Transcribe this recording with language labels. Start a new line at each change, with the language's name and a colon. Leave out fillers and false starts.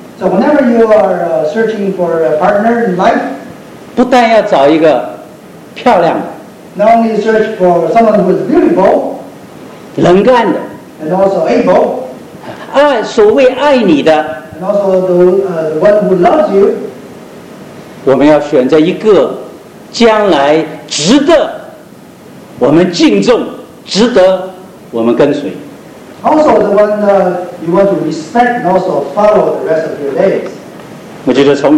English: So whenever you are searching for a partner in life.
Chinese: 不但要找一个漂亮的。
English: Not only search for someone who is beautiful.
Chinese: 能干的。
English: And also able.
Chinese: 爱，所谓爱你的，
English: and also the one who loves you,
Chinese: 我们要选择一个将来值得我们敬重，值得我们跟随。
English: Also the one you want to respect and also follow the rest of your days.